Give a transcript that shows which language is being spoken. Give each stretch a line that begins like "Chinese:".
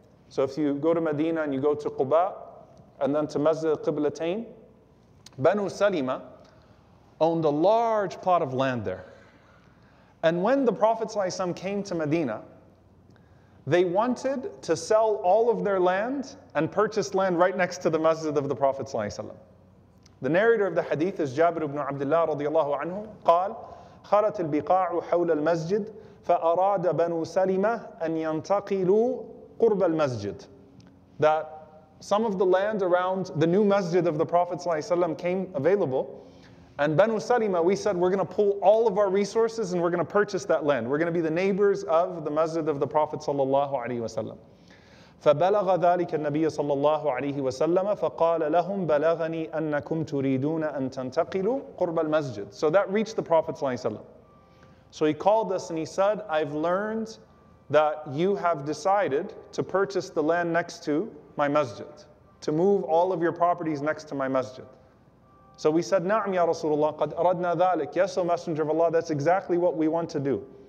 English: So if you go to Medina and you go to Quba and then to Masjid al-Qiblatain, Banu Salima owned a large plot of land there. And when the Prophet ﷺ came to Medina, they wanted to sell all of their land and purchase land right next to the Masjid of the Prophet ﷺ. The narrator of the hadith is Jabir ibn Abdullah radiallahu anhu,
Arabic: قال, خرت البقاع حول المسجد فأراد بنو سلمة أن ينتقلوا قرب المسجد.
English: That some of the land around the new Masjid of the Prophet ﷺ came available, and Banu Salima, we said, we're going to pull all of our resources and we're going to purchase that land. We're going to be the neighbors of the Masjid of the Prophet sallallahu alaihi wasallam.
Arabic: فبلغ ذلك النبي صلى الله عليه وسلم فقال لهم بلغني أنكم تريدون أن تنتقلوا قرب المسجد.
English: So that reached the Prophet sallallahu alaihi wasallam. So he called us and he said, I've learned that you have decided to purchase the land next to my masjid, to move all of your properties next to my masjid. So we said,
Arabic: Na'am ya Rasulullah, qad aradna thalik.
English: Yes, O Messenger of Allah, that's exactly what we want to do.